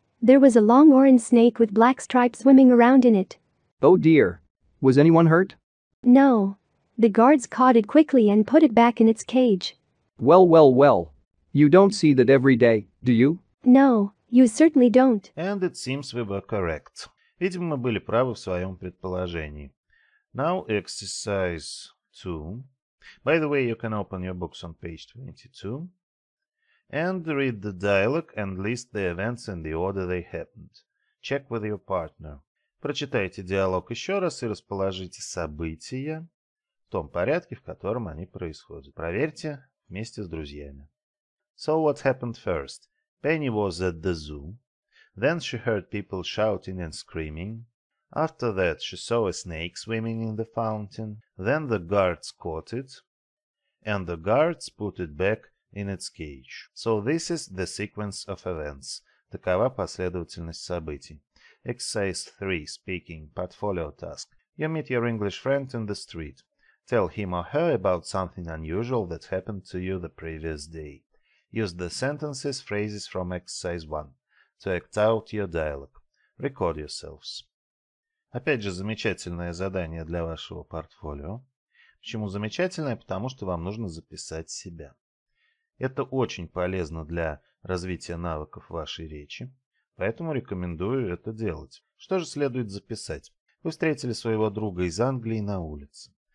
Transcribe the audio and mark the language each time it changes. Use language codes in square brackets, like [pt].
[en] There was a long orange snake with black stripes swimming around in it. Oh dear. Was anyone hurt? No. The guards caught it quickly and put it back in its cage. Well, well, well. You don't see that every day, do you? No, you certainly don't. And it seems we were correct. [ru] Видимо, мы были правы в своем предположении. [en] Now exercise 2. By the way, you can open your books on page 22 and read the dialogue and list the events in the order they happened. Check with your partner. [ru] Прочитайте диалог еще раз и расположите события в том порядке, в котором они происходят. Проверьте вместе с друзьями. [en] So what happened first? Penny was at the zoo. Then she heard people shouting and screaming. After that, she saw a snake swimming in the fountain. Then the guards caught it, and the guards put it back in its cage. So this is the sequence of events. [ru] Такова последовательность событий. [en] Exercise 3. Speaking. Portfolio task. You meet your English friend in the street. Tell him or her about something unusual that happened to you the previous day. Use the sentences, phrases from exercise 1 to act out your dialogue. Record yourselves. [ru] Опять же, замечательное задание для вашего портфолио. Почему замечательное? Потому что вам нужно записать себя. Это очень полезно для развития навыков вашей речи, поэтому рекомендую это делать. Что же следует записать? Вы встретили своего друга из Англии на улице.